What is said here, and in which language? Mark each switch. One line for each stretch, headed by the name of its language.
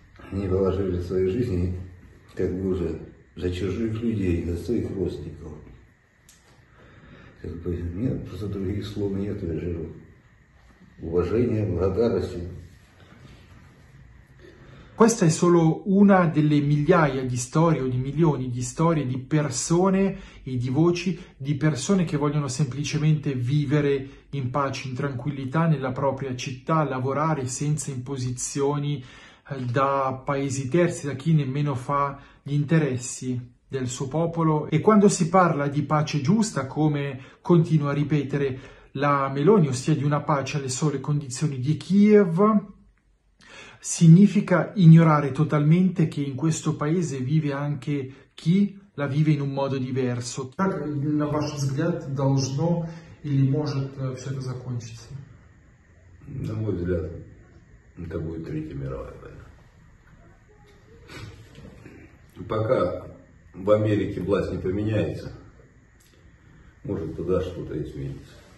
Russian: Они положили свои жизни, как бы уже за чужих людей, за своих родственников. Как бы, нет, просто других слов нет, я живу. Уважение, благодарность.
Italian: Questa è solo una delle migliaia di storie o di milioni di storie di persone e di voci, di persone che vogliono semplicemente vivere in pace, in tranquillità nella propria città, lavorare senza imposizioni da paesi terzi, da chi nemmeno fa gli interessi del suo popolo. E quando si parla di pace giusta, come continua a ripetere la Meloni, ossia di una pace alle sole condizioni di Kiev, significa ignorare totalmente che in questo paese vive anche chi la vive in un modo diverso.
Russian: Как, на ваш взгляд, должно или может все это закончиться? На мой взгляд, это будет третья мировая война. Пока в Америке власть не поменяется, может, тогда что-то изменится.